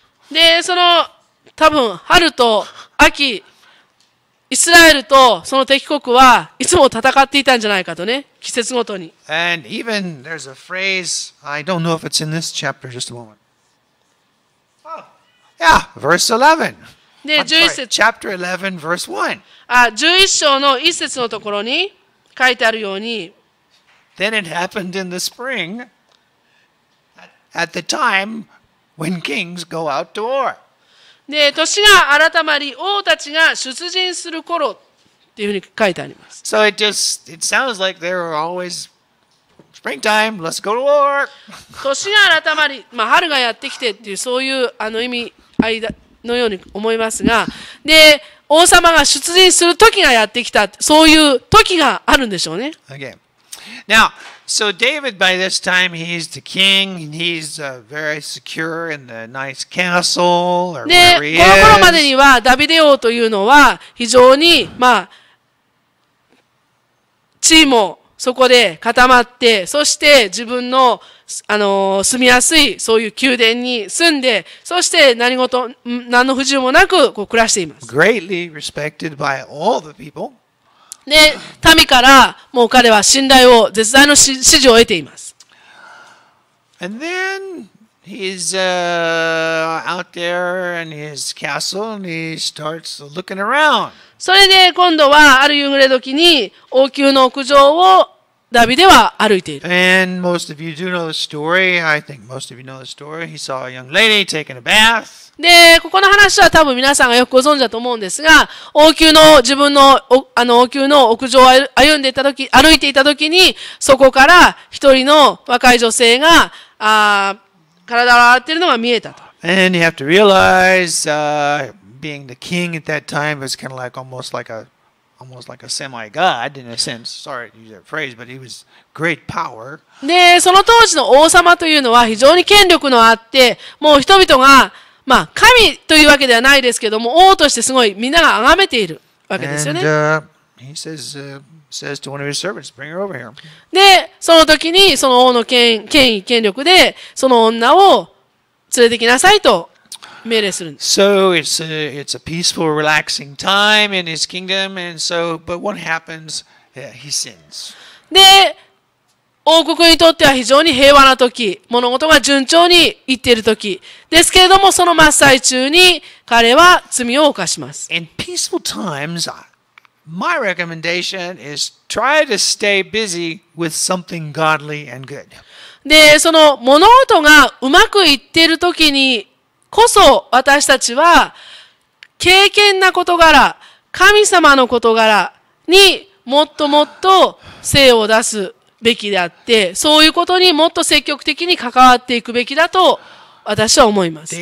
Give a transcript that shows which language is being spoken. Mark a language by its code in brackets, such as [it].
[ja] で、その多分春と秋、イスラエルとその敵国はいつも戦っていたんじゃないかとね、季節ごとに。 [en] And even there's a phrase, I don't know if it's in this chapter, just a moment. Oh, yeah, verse 11. [ja] で、11節。 [en] Chapter 11, verse 1. [ja] あ、11章の1節のところに書いてあるように。 [en] Then it happened in the spring, at the time when kings go out to war. [ja] で、年が改まり、王たちが出陣する頃っていうふうに書いてあります。 [en] So it just, it sounds like they were always springtime, let's go to war. [ja] 年が改まり、まあ、春がやってきてっていう、そういうあの意味合いのように思いますが、で、王様が出陣する時がやってきた、そういう時があるんでしょうね。 [en] Okay. Now, so David, by this time, he's the king, and he's、very secure in the nice castle or where he is. [ja] この頃までにはダビデ王というのは非常にまあ地位もそこで固まって、そして自分のあの住みやすいそういう宮殿に住んで、そして何事何の不自由もなくこう暮らしています。 [en] Greatly respected by all the people. [ja] で、民からもう彼は信頼を、絶大の支持を得ています。 [en] And then he's out there in his castle and he starts looking around. [ja] それで今度はある夕暮れ時に王宮の屋上をダビデは歩いている。 [en] And most of you do know the story. I think most of you know the story. He saw a young lady taking a bath. [ja] で、ここの話は多分皆さんがよくご存知だと思うんですが、王宮の自分の、あの王宮の屋上を歩んでいたとき、歩いていたときに、そこから一人の若い女性が、体を洗っているのが見えたと。 [en] And you have to realize, being the king at that time was kind of like almost like a semi-god in a sense. Sorry to use that phrase, but he was great power. [ja] で、その当時の王様というのは非常に権力のあって、もう人々が、まあ、神というわけではないですけども、王としてすごいみんなが崇めているわけですよね。 [en] And, he says to one of his servants, bring her over here. [ja] で、その時にその王の権威、権力で、その女を連れてきなさいと命令するんです。 [en] So it's a peaceful, relaxing time in his kingdom, and so, but what happens? Yeah, he sins. [ja] で、王国にとっては非常に平和な時、物事が順調にいっている時ですけれども、その真っ最中に彼は罪を犯します。 [en] In peaceful times, my recommendation is try to stay busy with something godly and good. [ja] で、その物事がうまくいっている時にこそ、私たちは敬虔な事柄、神様の事柄にもっともっと精を出す。べきであって、そういうことにもっと積極的に関わっていくべきだと私は思います。